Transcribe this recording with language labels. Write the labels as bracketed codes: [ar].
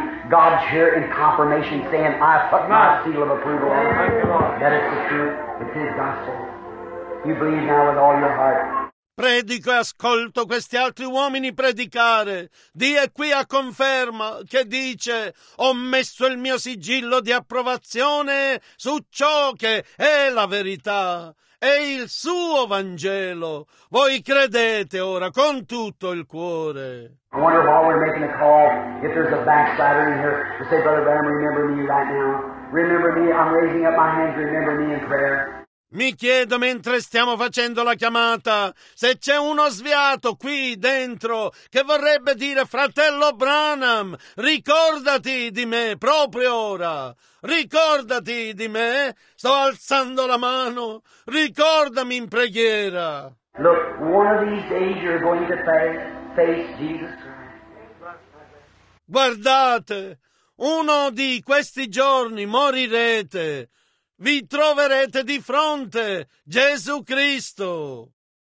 [en] God's here in confirmation saying, I put my seal of approval on it. That is the truth. It's his gospel. You believe now with all your heart. [it] Predico e ascolto questi altri uomini predicare. Dio è qui a conferma che dice: ho messo il mio sigillo di approvazione su ciò che è la verità, è il suo Vangelo. Voi credete ora con tutto il cuore. [en] I wonder while we're making a call if there's a backslider in here to say, Brother Bram, remember me right now. Remember me, I'm raising up my hands, remember me in prayer. [it] Mi chiedo, mentre stiamo facendo la chiamata, se c'è uno sviato qui dentro che vorrebbe dire: fratello Branham, ricordati di me proprio ora. Ricordati di me. Sto alzando la mano. Ricordami in preghiera. [en] Look, one of these days you're going to face Jesus Christ. [it] Guardate, uno di questi giorni morirete. Vi troverete di fronte Gesù Cristo.